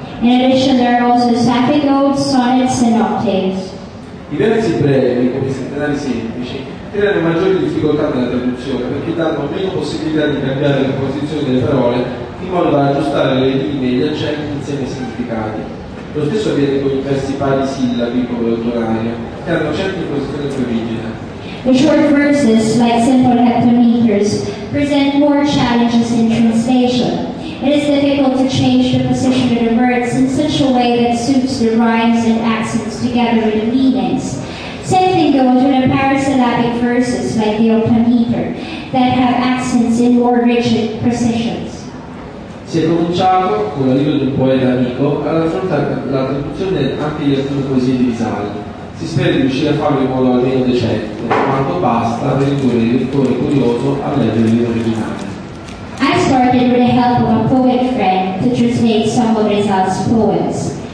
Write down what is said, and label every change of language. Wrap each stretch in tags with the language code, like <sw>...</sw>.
<en>In addition, there are also Sapphic Odes, Sonnets, and Octaves.</en> <it>I versi brevi, come i settenari semplici, creano maggiori difficoltà nella traduzione perché danno meno possibilità di cambiare la posizione delle parole in modo da aggiustare le linee e gli accenti insieme ai significati. Lo stesso avviene con i versi parisillabi come l'ottonario, che hanno accenti in posizione più rigida.</it> <en>The short verses, like simple heptameters, present more challenges in translation. It is difficult to change the position of the words in such a way that suits the rhymes and accents together with the meanings. Same thing goes with the parasyllabic verses, like the octameter, that have accents in more rigid positions.</en> <it>Si è cominciato, con l'aiuto di un poeta amico, ad affrontare la traduzione anche di alcune poesie di Risale. Si spera di riuscire a farlo in modo almeno decente, quanto basta per indurre il lettore curioso a leggere l'originale.</it> <en>I started with the help of a poet friend to translate some of Rizal's poems.</en>